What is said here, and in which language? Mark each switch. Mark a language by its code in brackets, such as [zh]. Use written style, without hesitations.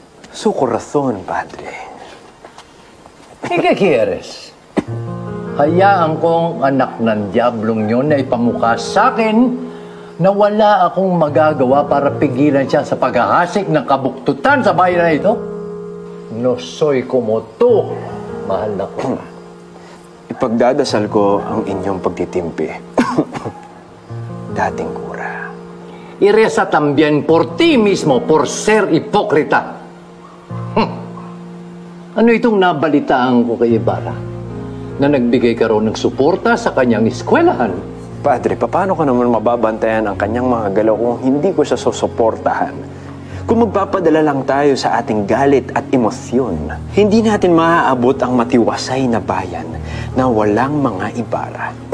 [es] Su corazón, Padre. ¿Qué quieres? [tl] Hayaan kong anak ng diablong yun ay pamuka sa akin na wala akong magagawa para pigilan siya sa paghahasik ng kabuktutan sa bayan na ito? [es] No soy como tú, [tl] mahal na ko. Ipagdadasal ko ang inyong pagtitimpi. Dating kura. [es] Y reza también por ti mismo, por ser hipócrita. [tl] Ano itong nabalitaan ko kay Ibarra? Na nagbigay ka ron ng suporta sa kanyang eskwelahan? Padre, paano ko naman mababantayan ang kanyang mga galaw kung hindi ko siya susuportahan? Kung magpapadala lang tayo sa ating galit at emosyon, hindi natin maaabot ang matiwasay na bayan na walang mga Ibarra.